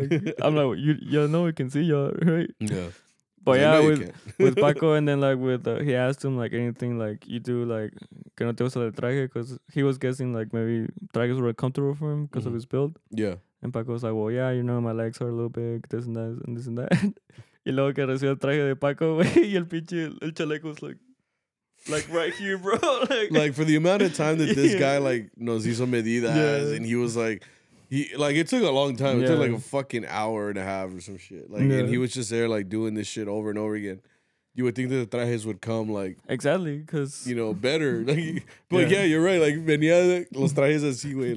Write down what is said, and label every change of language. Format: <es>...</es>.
<en>Like I'm like, y'all know we can see y'all, right? Yeah. But yeah, with Paco, and then like with he asked him like anything like you do like</en> <es>que no te gusta el traje,</es> <en>because he was guessing like maybe trajes were comfortable for him because of his build. Yeah. And Paco was like, well, yeah, you know, my legs are a little big, this and that, and this and that.</en> <es>Y luego que recibió el traje de Paco, güey, y el pinche el chaleco</es> <en>was like right here, bro. like for the amount of time that this guy like</en> <es>nos hizo medidas,</es> <en>and he was like. He it took a long time. It took like a fucking hour and a half or some shit. Like, and he was just there, like doing this shit over and over again. You would think that the trajes would come like exactly because you know better. Like, but yeah, you're right. Like</en> <es>venía los trajes así, güey.</es>